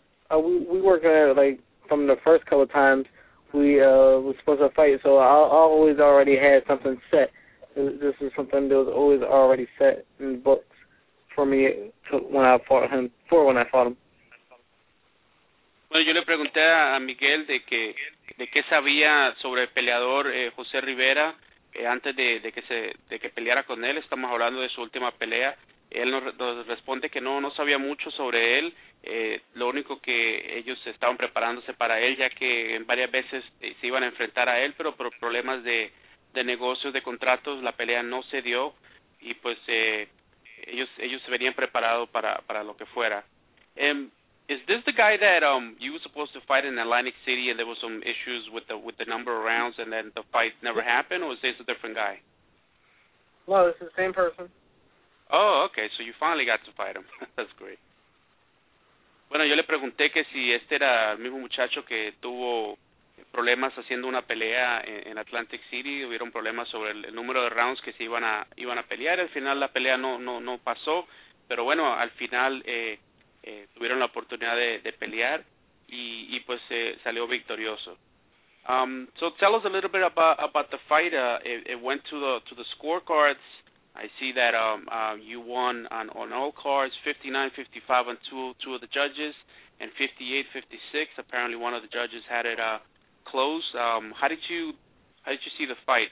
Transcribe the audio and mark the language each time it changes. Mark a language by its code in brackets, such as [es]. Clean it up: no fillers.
[en] We worked on it, like, from the first couple of times we were supposed to fight, so I always already had something set. This is something that was always already set in books for me when I fought him. [es] Bueno, yo le pregunté a Miguel de qué sabía sobre el peleador José Rivera antes de que peleara con él. Estamos hablando de su última pelea. Él nos responde que no sabía mucho sobre él. Lo único que ellos estaban preparándose para él, ya que varias veces se iban a enfrentar a él, pero por problemas de negocios, de contratos, la pelea no se dio. Y pues ellos se venían preparados para lo que fuera. [en] Is this the guy that you were supposed to fight in Atlantic City and there were some issues with the number of rounds and then the fight never happened, or is this a different guy? No, this is the same person. Oh, okay, so you finally got to fight him. That's great. [es] Bueno, yo le pregunté que si este era el mismo muchacho que tuvo problemas haciendo una pelea en Atlantic City, hubieron problemas sobre el número de rounds que se iban a pelear. Al final la pelea no pasó, pero bueno, al final tuvieron la oportunidad de pelear y pues salió victorioso. [en] So tell us a little bit about the fight. It went to the scorecards. I see that you won on all cards, 59-55 on two of the judges, and 58-56. Apparently, one of the judges had it close. How did you see the fight?